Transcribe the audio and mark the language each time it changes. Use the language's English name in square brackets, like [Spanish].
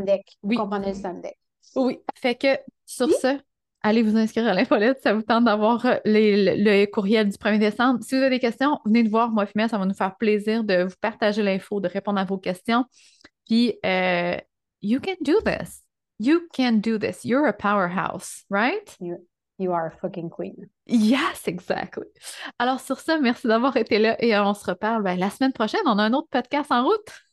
[French] Sundeck. Vous Oui. comprenez le Sundeck. Oui. Fait que sur ce, allez vous inscrire à l'infolettre. Ça vous tente d'avoir le courriel du 1er décembre. Si vous avez des questions, venez nous voir, moi et Fimia, ça va nous faire plaisir de vous partager l'info, de répondre à vos questions. Puis, [English] you can do this. You can do this. You're a powerhouse, right? You are a fucking queen. Yes, exactly. [French] Alors sur ça, merci d'avoir été là et on se reparle ben, la semaine prochaine. On a un autre podcast en route.